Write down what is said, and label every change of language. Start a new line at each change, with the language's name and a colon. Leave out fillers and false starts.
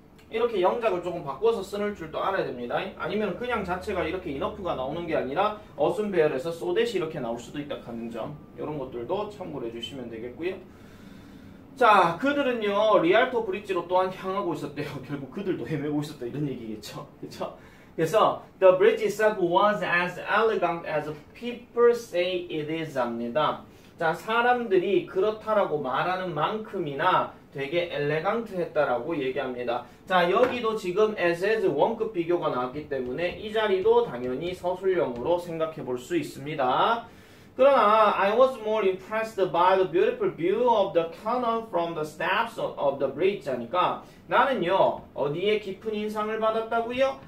Korean: 이렇게 영작을 조금 바꿔서 쓰는 줄도 알아야 됩니다. 아니면 그냥 자체가 이렇게 enough가 나오는 게 아니라 어순배열에서 so that이 이렇게 나올 수도 있다 하는 점. 이런 것들도 참고를 해주시면 되겠고요. 자, 그들은요, 리알토 브릿지로 또한 향하고 있었대요. 결국 그들도 헤매고 있었다. 이런 얘기겠죠. 그쵸? 그래서,
English: The bridge itself was as elegant as people say it is
Korean: 합니다. 자, 사람들이 그렇다라고 말하는 만큼이나 되게 엘레강트했다라고 얘기합니다. 자, 여기도 지금 as is 원급 비교가 나왔기 때문에 이 자리도 당연히 서술형으로 생각해 볼수 있습니다. 그러나
English: I was more impressed by the beautiful view of the canal from the steps of the bridge
Korean: 하니까 나는요 어디에 깊은 인상을 받았다고요?